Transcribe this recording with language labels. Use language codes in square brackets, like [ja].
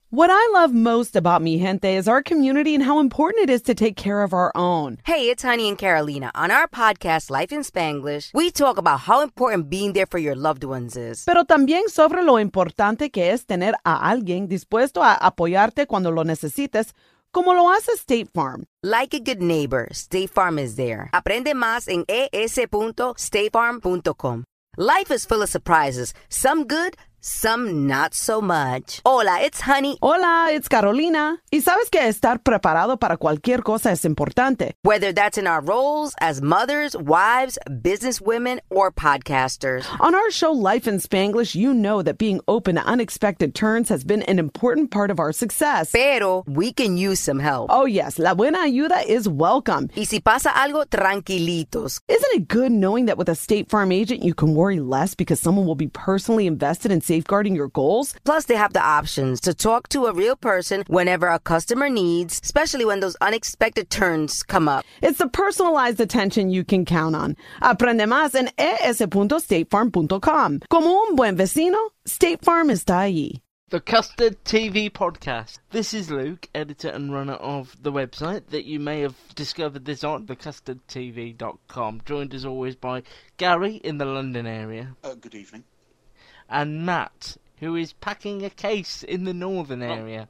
[en] What I love most about Mi Gente is our community and how important it is to take care of our own. Hey, it's Honey and Carolina. On our podcast, Life in Spanglish, we talk about how important being there for your loved ones is. [es] Pero también sobre lo importante que es tener a alguien dispuesto a apoyarte cuando lo necesites, como lo hace State Farm. [en] Like a good neighbor, State Farm is there. [es] Aprende más en es.statefarm.com. [en] Life is full of surprises, some good, some not so much. Hola, it's Honey. Hola, it's Carolina. [es] Y sabes que estar preparado para cualquier cosa es importante. [en] Whether that's in our roles as mothers, wives, businesswomen, or podcasters. On our show, Life in Spanglish, you know that being open to unexpected turns has been an important part of our success. Pero we can use some help. Oh, yes. [es] La buena ayuda [en] is welcome. [es] Y si pasa algo, tranquilitos. [en] Isn't it good knowing that with a State Farm agent, you can worry less because someone will be personally invested in safeguarding your goals? Plus, they have the options to talk to a real person whenever a customer needs, especially when those unexpected turns come up. It's the personalized attention you can count on. [es] Aprende más en es.statefarm.com. Como un buen vecino, State Farm está allí. [en] The Custard TV Podcast. This is Luke, editor and runner of the website that you may have discovered this on, thecustardtv.com. Joined as always by Gary in the London area. Good evening. And Matt, who is packing a case in the northern area.